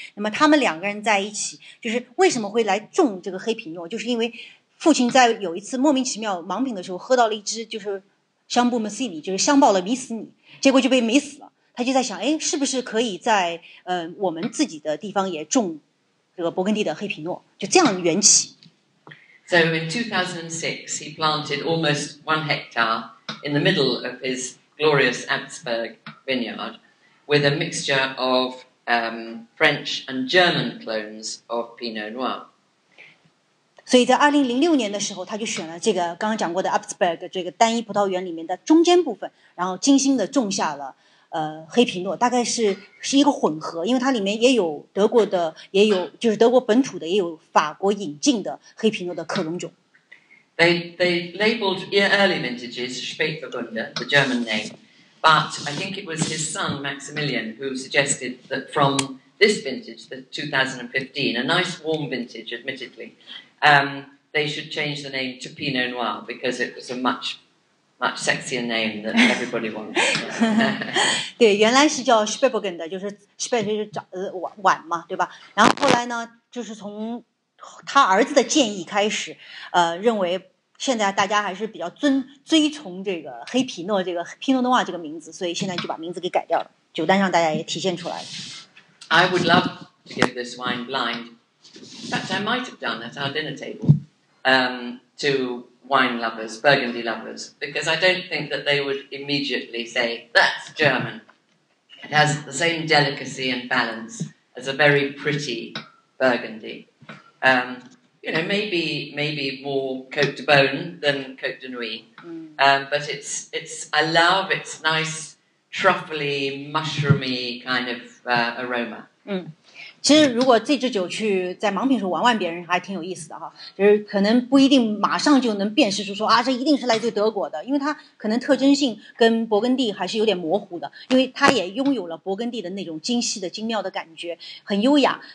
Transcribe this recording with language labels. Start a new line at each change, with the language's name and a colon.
Chinese: 那么他们两个人在一起，就是为什么会来种这个黑皮诺，就是因为父亲在有一次莫名其妙盲品的时候喝到了一支就是香布马西尼，就是香爆了迷死你，结果就被迷死了。他就在想，哎，是不是可以在我们自己的地方也种这个勃艮第的黑皮诺，就这样缘起。
English: So in 2006, he planted almost 1 hectare in the middle of his glorious Abtsberg vineyard with a mixture of French and German clones of Pinot Noir.
Chinese: 所以在2006年的时候，他就选了这个刚刚讲过的 Abtsberg 这个单一葡萄园里面的中间部分，然后精心的种下了黑皮诺，大概是一个混合，因为它里面也有德国的，也有就是德国本土的，也有法国引进的黑皮诺的克隆种。
English: They labeled early vintages Spätburgunder, the German name, but I think it was his son Maximilian who suggested that from this vintage, the 2015, a nice warm vintage, admittedly, they should change the name to Pinot Noir because it was a much sexier name than everybody wants.
Chinese: 对，原来是叫 Spätburgunder， 就是 Spät 就是晚嘛，对吧？然后后来呢，就是从他儿子的建议开始，认为现在大家还是比较追崇这个黑皮诺，这个 Pinot Noir 这个名字，所以现在就把名字给改掉了。酒单上大家也体现出来了。
English: I would love to give this wine blind. In fact, I might have done at our dinner table, to wine lovers, Burgundy lovers, because I don't think that they would immediately say that's German. It has the same delicacy and balance as a very pretty Burgundy. You know, maybe more Cote de Beaune than Cote de Nuit, but it's I love its nice truffly, mushroomy kind of aroma.
Chinese: 其实如果这支酒去在盲品时候玩玩别人还挺有意思的哈，就是可能不一定马上就能辨识出说啊这一定是来自德国的，因为它可能特征性跟勃艮第还是有点模糊的，因为它也拥有了勃艮第的那种精细的精妙的感觉，很优雅。